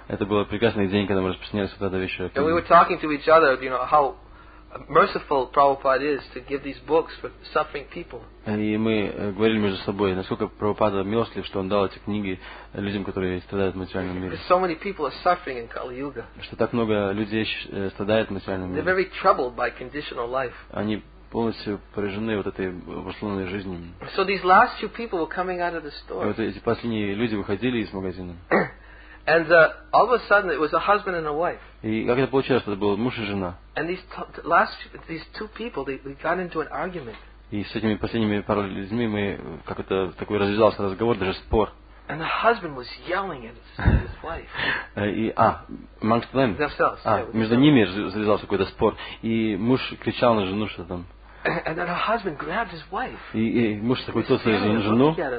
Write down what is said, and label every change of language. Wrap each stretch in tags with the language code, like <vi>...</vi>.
<ru>Это был прекрасный день, когда мы распространяли сюда до вечера.</ru> <en>And we were talking to each other, you know, how merciful Prabhupada is to give these books for suffering people.</en> <ru>И мы говорили между собой, насколько Прабхупада милостлив, что он дал эти книги людям, которые страдают в материальном мире.</ru> <en>So many people are suffering in Kali Yuga.</en> <ru>Что так много людей страдают в материальном мире.</ru> <en>They're very troubled by conditional life.</en> <ru>Они полностью поражены вот этой обусловленной жизнью.</ru> <en>So these last few people were coming out of the store.</en> <ru>И вот эти последние люди выходили из магазина.</ru> <en>And all of a sudden it was a husband and a wife.</en> <ru>И как это получилось, что это был муж и жена?</ru> <en>And these two people got into an argument.</en> <ru>И с этими последними пару людьми мы как-то такой развязался разговор, даже спор.</ru> <en>And the husband was yelling at his wife. Amongst them. Themselves.</en> <ru>Между ними завязался какой-то спор, и муж кричал на жену, что там.</ru> <en>And then her husband grabbed his wife.</en> <ru>И муж такой тут свою жену.</ru>